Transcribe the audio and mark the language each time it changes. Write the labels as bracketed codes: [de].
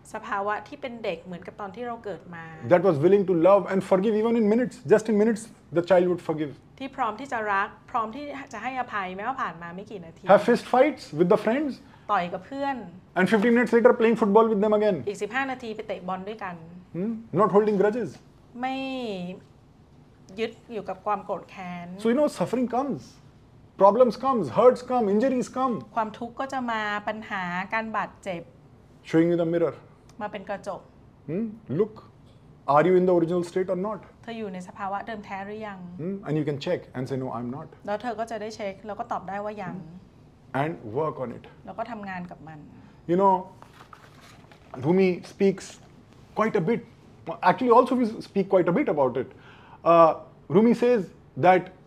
[th] สภาวะที่เป็นเด็กเหมือนกับตอนที่เราเกิดมา [en] That was willing to love and forgive even in minutes. Just in minutes, the child would forgive. [th] ที่พร้อมที่จะรักพร้อมที่จะให้อภัยแม้ว่าผ่านมาไม่กี่นาที [en] Have fist fights with the friends. [th] ต่อยกับเพื่อน [en] And 15 minutes later, playing football with them again. [th] อีก15นาทีไปเตะบอลด้วยกัน [en] Not holding grudges. [th] ไม่ยึดอยู่กับความโกรธแค้น [en] So you know suffering comes problems comes hurts come injuries come [th] ความทุกข์ก็จะมาปัญหาการบาดเจ็บ [en] Showing you the mirror [th] มาเป็นกระจก [en] Look are you in the original state or not [th] เธออยู่ในสภาวะเดิมแท้หรือยัง [en] And you can check and say no I'm not [th] แล้วเธอก็จะได้เช็คแล้วก็ตอบได้ว่ายัง [en] And work on it [th] แล้วก็ทำงานกับมัน [en] You know Rumi speaks quite a bitActually, also we speak quite a bit about it. Rumi says that